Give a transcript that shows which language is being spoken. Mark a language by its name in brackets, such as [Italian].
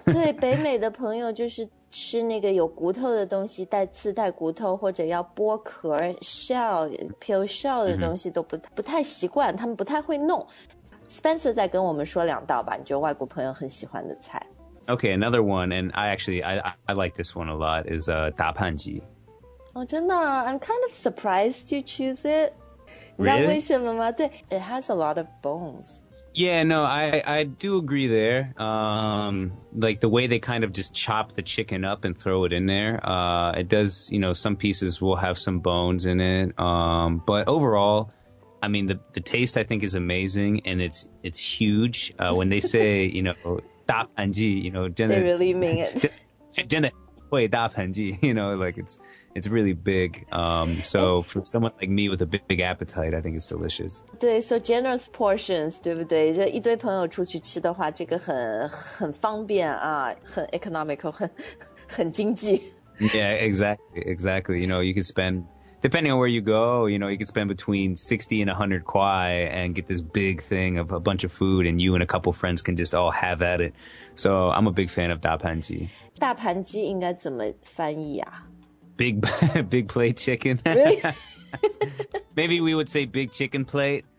[Chinese] 对,北美的朋友就是吃那个有骨头的东西, 带刺带骨头, 或者要剥壳, [English] shell, peel shell [Chinese] 的东西, 都不太习惯, 他们不太会弄。 Spencer再跟我们说两道吧, 你觉得外国朋友很喜欢的菜。 [English] Okay, another one, and I like this one a lot, is 打盘鸡. [Chinese] Oh, 真的? [English] I'm kind of surprised you choose it. Really? [Chinese] 你知道为什么吗?对, [English] it has a lot of bones. Yeah, no, I do agree there. Like the way they kind of just chop the chicken up and throw it in there, it does, you know, some pieces will have some bones in it. But overall, I mean, the taste I think is amazing, and it's huge. When they say, you know, 大盘鸡, you know, [Chinese] 真的, [English] they really mean it. [Chinese] 真的会 [English] 大盘鸡, you know, like It's really big. So for someone like me with a big appetite, I think it's delicious. 对, so generous portions, [Chinese] 对不对? 就一堆朋友出去吃的话,这个很方便啊,很 economical, 很经济。 [English] Yeah, exactly. You know, you could spend, depending on where you go, you know, you could spend between 60 and 100 kwai and get this big thing of a bunch of food and you and a couple friends can just all have at it. So I'm a big fan of 大盘鸡。 [Chinese] 大盘鸡应该怎么翻译啊? [English] Big plate chicken. Maybe we would say big chicken plate.